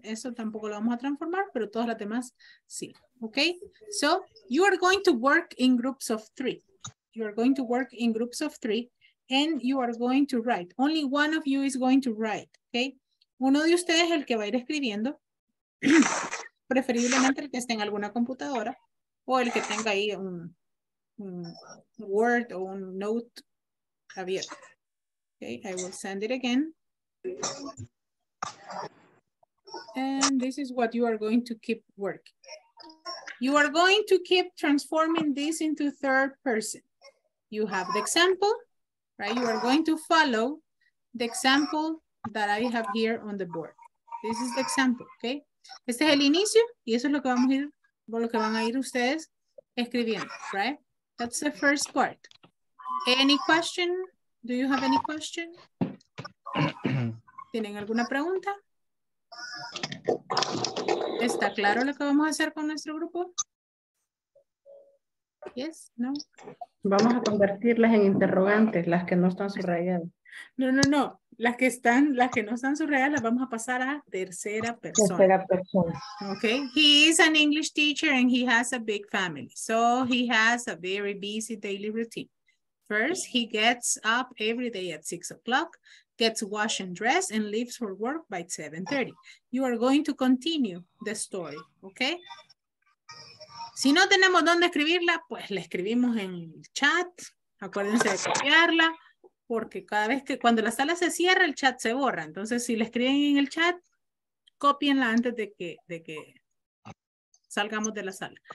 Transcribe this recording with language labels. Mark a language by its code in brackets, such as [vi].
[es] Eso tampoco lo vamos a transformar, pero todas las demás sí. [en] Okay, so you are going to work in groups of 3. You are going to work in groups of 3 and you are going to write. Only one of you is going to write. [es] Okay, uno de ustedes es el que va a ir escribiendo. Preferiblemente el que esté en alguna computadora o el que tenga ahí un Word o un note abierto. [en] Okay, I will send it again. And this is what you are going to keep working. You are going to keep transforming this into third person. You have the example, right? You are going to follow the example that I have here on the board. This is the example, okay? [es] Este es el inicio y eso es lo que vamos a ir, lo que van a ir ustedes escribiendo, [en] right? That's the first part. Any question? Do you have any question? [es] ¿Tienen alguna pregunta? ¿Está claro lo que vamos a hacer con nuestro grupo? [en] Yes, no. [es] Vamos a convertirlas en interrogantes, las que no están subrayadas. No, no, no. Las que están, las que no están subrayadas, las vamos a pasar a tercera persona. Tercera persona. [en] Okay. He is an English teacher and he has a big family. So he has a very busy daily routine. First, he gets up every day at 6 o'clock, gets washed and dressed, and leaves for work by 7:30. You are going to continue the story, okay? [es] Si no tenemos dónde escribirla, pues la escribimos en el chat. Acuérdense de copiarla, porque cada vez que, cuando la sala se cierra, el chat se borra. Entonces, si la escriben en el chat, cópienla antes de que salgamos de la sala.